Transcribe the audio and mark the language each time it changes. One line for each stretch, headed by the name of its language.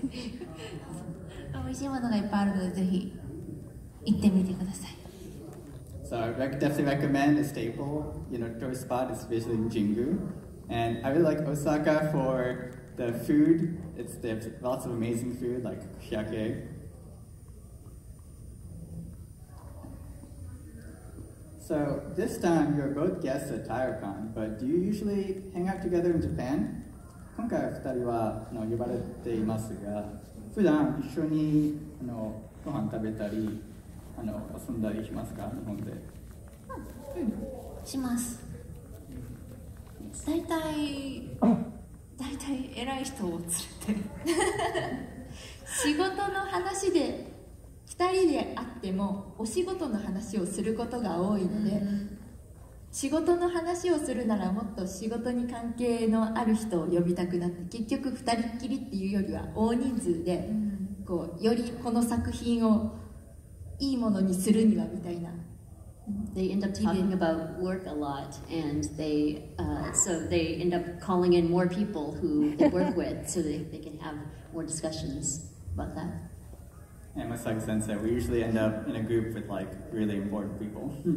Japanese: 美味しいものがいっぱいあるのでぜひ行ってみてください。
English: So I definitely recommend a staple, you know, tourist spot is visiting Jingu, and I really like Osaka for the food. It's there's lots of amazing food like Miyake. So this time you're both guests at TaiyouCon, but do you usually hang out together in Japan?
Japanese: 今回二人はあの呼ばれていますが、普段一緒にあのご飯食べたりあの遊んだりしますか、日本で？します。だいたい偉い人を連れて、仕事の話で。二人で会ってもお仕事の話をすることが多いので、仕事の話をするならもっと仕事に関係のある人を呼びたくなって、結局二人っきりっていうよりは大人数で、こうよりこの作品をいいものにするにはみたいな。
English: They end up talking about work a lot, and they so they end up calling in more people who they work with, so they can have more discussions about that. And Masaki sensei, we usually end up in a group with like really important people.